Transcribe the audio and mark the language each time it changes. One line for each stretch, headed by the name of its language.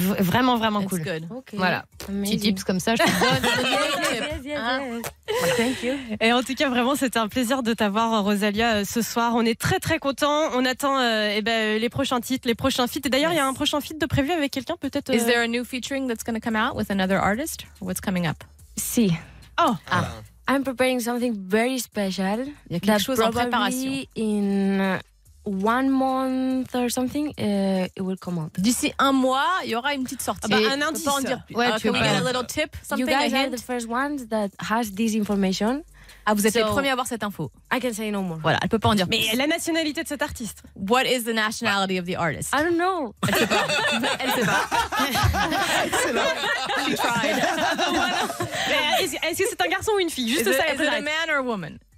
French: Vraiment, vraiment cool.
English: That's good. Okay.
French: Voilà.
English: Amazing.
French: Petit tips comme ça, je te donne.
English: Yes. Thank you.
French: Et en tout cas, vraiment, c'était un plaisir de t'avoir, Rosalia, ce soir. On est très, très contents. On attend les prochains titres, les prochains feats. Et d'ailleurs, il y a un prochain feat de prévu avec quelqu'un, peut-être.
English: Is there a new featuring that's going to come out with another artist? What's coming up?
Spanish: Si. Oh,
English: ah. I'm preparing something very special.
French: Il y a quelque chose en préparation.
English: In one month or something, it will come out.
French: D'ici un mois, il y aura une petite sortie. Bah, un indice. On peut en dire plus. Ouais,
English: can we get a little tip? Something, you guys a hint? Are the first ones that has this information.
French: Ah, vous êtes les premiers à avoir cette info.
English: I can say no more.
French: Voilà, elle peut pas en dire mais plus. Mais la nationalité de cet artiste.
English: What is the nationality of the artist? I don't know.
French: Elle sait pas. Elle sait pas. Excellent.
English: She tried. Voilà.
French: Mais est-ce que c'est un garçon ou une fille? Juste
English: is
French: ça.
English: It, is it a man or a woman?